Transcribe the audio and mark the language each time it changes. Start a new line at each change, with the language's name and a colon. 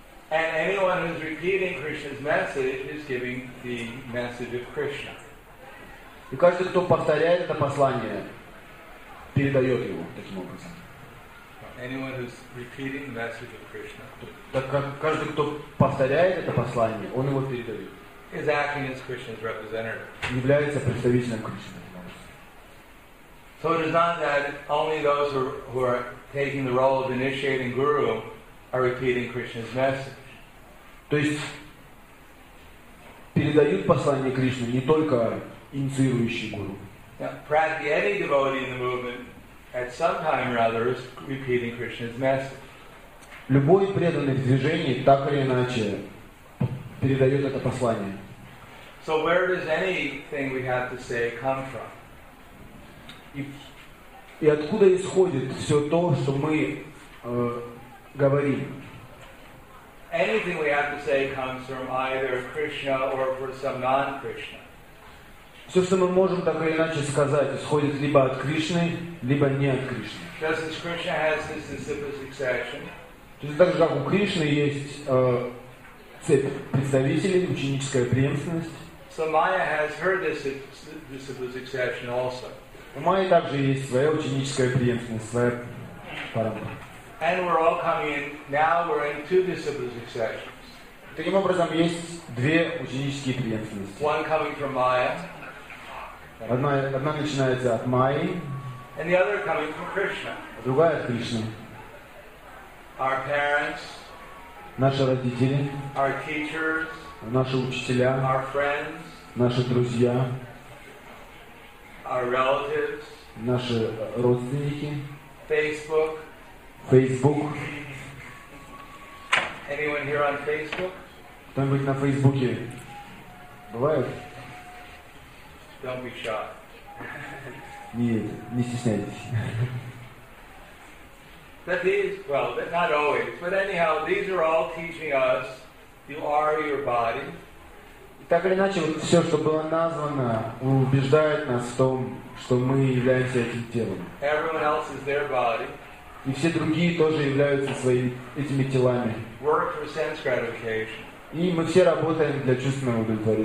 English: And anyone who is repeating Krishna's message is giving the message of Krishna.
Russian: И каждый, кто повторяет это послание, передает его таким образом.
English: Anyone who's repeating the message of Krishna.
Russian: Так как каждый, кто повторяет это послание, он его передает.
English: Is acting as Krishna's representative.
Russian: Является представителем Кришны.
English: So it is not that only those who are taking the role of initiating guru are repeating Krishna's message.
Russian: То есть передают послание Кришны не только инициирующий гуру.
English: Practically any devotee in the movement at some time or other is repeating Krishna's message.
Russian: Любой преданный в движении так или иначе передает это послание.
English: So where does anything we have to say come from?
Russian: И откуда исходит все то, что мы говорим?
English: Anything we have to say comes from either Krishna or from some non-Krishna.
Russian: Все, что мы можем так или иначе сказать, исходит либо от Кришны, либо не от Кришны.
English: Just as Krishna has this disciple succession.
Russian: То есть так же, как у Кришны есть цепь представителей, ученическая преемственность.
English: So Maya has her disciple succession also.
Russian: У Майи также есть своя ученическая преемственность, своя парампара.
English: And we're all coming in, now we're in two disciple successions.
Russian: Таким образом, есть две ученические преемственности.
English: One coming from Maya.
Russian: Одна начинается от Майи.
English: And the other coming from Krishna.
Russian: А другая от Кришны.
English: Our parents.
Russian: Наши родители.
English: Our teachers.
Russian: Наши учителя.
English: Our friends.
Russian: Наши друзья.
English: Our relatives,
Russian: наши родственники,
English: Facebook. Anyone here on Facebook?
Russian: Кто-нибудь на Фейсбуке? Бывает?
English: Don't be shy.
Russian: Не стесняйтесь.
English: That these, well, not always, but anyhow, these are all teaching us: you are your body.
Russian: Так или иначе, вот все, что было названо, убеждает нас в том, что мы являемся этим телом.
English: Everyone else is their body.
Russian: И все другие тоже являются своими этими телами.
English: Work for sense gratification.
Russian: И мы все работаем для чувственного удовлетворения.